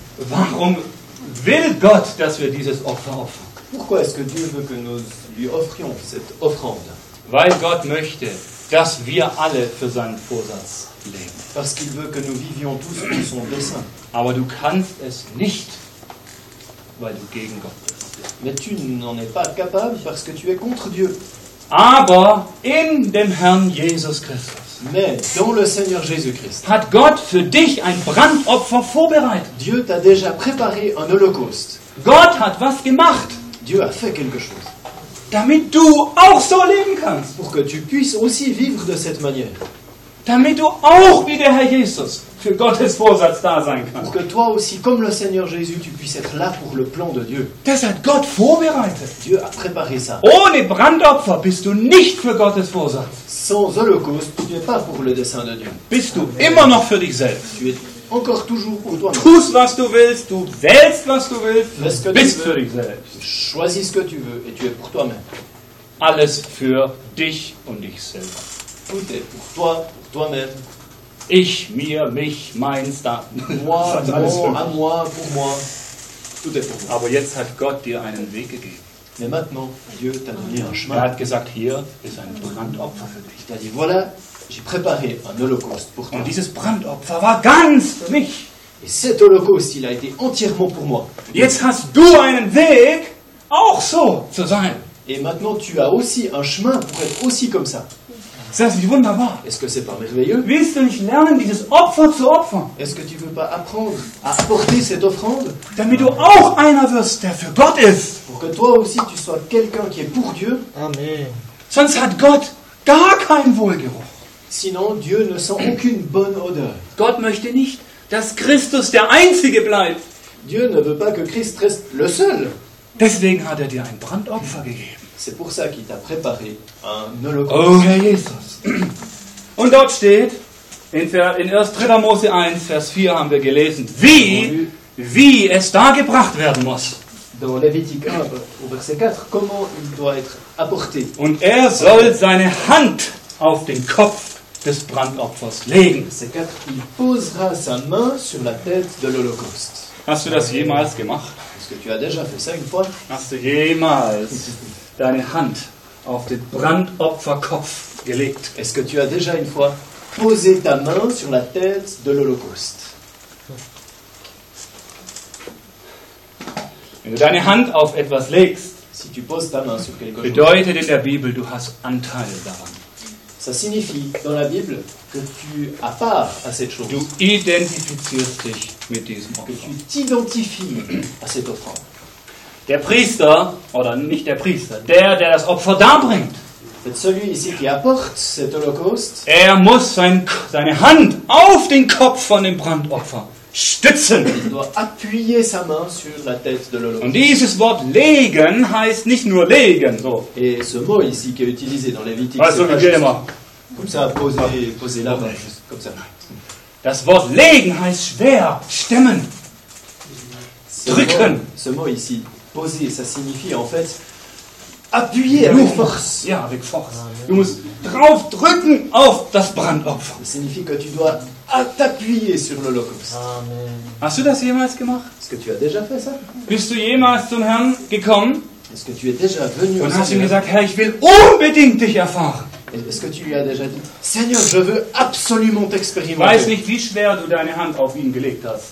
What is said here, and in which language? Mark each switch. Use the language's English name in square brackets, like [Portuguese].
[German] Warum will Gott, dass wir dieses Opfer opfern? [French] Pourquoi est-ce que Dieu veut que nous lui offrions cette offrande? [German] Weil Gott möchte, dass wir alle für seinen Vorsatz leben. [French] Parce qu'il veut que nous vivions tous pour son dessein. [German] Aber du kannst es nicht, weil du gegen Gott bist. [French] Mais tu n'en es pas capable parce que tu es contre Dieu. [German] Aber in dem Herrn Jesus Christus. [French] Mais dans le Seigneur Jésus-Christ. [German] Hat Gott für dich ein Brandopfer vorbereitet. [French] Dieu t'a déjà préparé un holocauste. [German] Gott hat was gemacht. [French] Dieu a fait quelque chose. [German] Damit du auch so leben kannst. [French] Pour que tu puisses aussi vivre de cette manière. [German] Damit du auch wie der Herr Jesus für Gottes Vorsatz da sein kannst. [French] Pour que toi aussi, comme le Seigneur Jésus, tu puisses être là pour le plan de Dieu. [German] Das hat Gott vorbereitet. [French] Dieu a préparé ça. [German] Ohne Brandopfer bist du nicht für Gottes Vorsatz. [French] Sans Holocauste, tu n'es pas pour le dessein de Dieu. [German] Bist du immer noch für dich selbst. [French] Tu es encore toujours pour toi-même. [German] Tust, was du willst, du wählst, was du willst, bist für dich selbst. [French] Choisis ce que tu veux et tu es pour toi-même. [German] Alles für dich und dich selber. [French] Tout est pour toi, pour toi-même. [German] Ich, mir, mich, meins, da. [French] Moi, bon, à moi, pour moi. Tout est pour moi. [German] Aber jetzt hat Gott dir einen Weg gegeben. [French] Mais maintenant, Dieu t'a donné un chemin. [German] Er hat gesagt, hier ist ein Brandopfer für dich. [French] Il t'a dit, voilà, j'ai préparé un holocauste pour toi. [German] Und dieses Brandopfer war ganz für mich. [French] Et cet holocauste, il a été entièrement pour moi. [German] Jetzt hast du einen Weg, auch so zu sein. [French] Et maintenant, tu as aussi un chemin pour être aussi comme ça. Ça, c'est [German] wunderbar. [French] Est-ce que c'est pas merveilleux? [German] Willst du nicht lernen, dieses Opfer zu opfern? [French] Est-ce que tu veux pas apprendre à porter cette offrande? [German] Damit du auch einer wirst, der für Gott ist. [French] Pour que toi aussi, tu sois quelqu'un qui est pour Dieu. [German] Amen. Sonst hat Gott gar keinen Wohlgeruch. [French] Sinon, Dieu ne sent aucune bonne odeur. [German] Gott möchte nicht, dass Christus der Einzige bleibt. [French] Dieu ne veut pas que Christ reste le seul. [German] Deswegen hat dir ein Brandopfer gegeben. [French] C'est pour ça qu'il t'a préparé un holocauste. [German] Oh, Herr Jesus. Und dort steht, in 3. Mose 1, Vers 4 haben wir gelesen, wie es dargebracht werden muss. [French] Dans Lévitique 1, au verset 4, comment il doit être apporté. [German] Und soll seine Hand auf den Kopf des Brandopfers legen. [French] Verset 4, il posera sa main sur la tête de l'Holocauste. [German] Hast du das jemals gemacht? [French] Est-ce que tu as déjà fait ça une fois? [German] Hast du jemals deine Hand auf den Brandopferkopf gelegt? [French] Est-ce que tu as déjà une fois posé ta main sur la tête de l'Holocauste? [German] Wenn du deine Hand auf etwas legst, [French] si tu poses ta main sur quelque chose, [German] bedeutet in der Bibel, du hast Anteil daran. [French] Ça signifie dans la Bible que tu as part à cette chose. [German] Du identifizierst dich mit diesem Opfer. [French] Que tu t'identifies à cette offrande. [German] Der Priester, oder nicht der Priester, der das Opfer darbringt. [French] C'est celui ici qui apporte cet holocauste. [German] Muss seine Hand auf den Kopf von dem Brandopfer stützen. [French] Il doit appuyer sa main sur la tête de l'holocauste. [German] Und dieses Wort legen heißt nicht nur legen. So. [French] Et ce mot ici qui est utilisé dans Lévitique, [German] also, [French] c'est pas juste comme ça, poser la main, juste comme ça. [German] Das Wort legen heißt schwer, stemmen, drücken. [French] Ce mot ici, poser, ça signifie en fait appuyer avec force. [German] Ja, [French] avec force. [German] Du musst drauf drücken auf das Brandopfer. [French] Ça signifie que tu dois t'appuyer sur l'Holocauste. [German] Hast du das jemals gemacht? [French] Est-ce que tu as déjà fait ça? [German] Bist du jemals zum Herrn gekommen? [French] Est-ce que tu es déjà venu [German] und hast ihm gesagt, Herr, ich will unbedingt dich erfahren. [French] Est-ce que tu lui as déjà dit, Seigneur, je veux absolument t'expérimenter. [German] Weiß nicht, wie schwer du deine Hand auf ihn gelegt hast.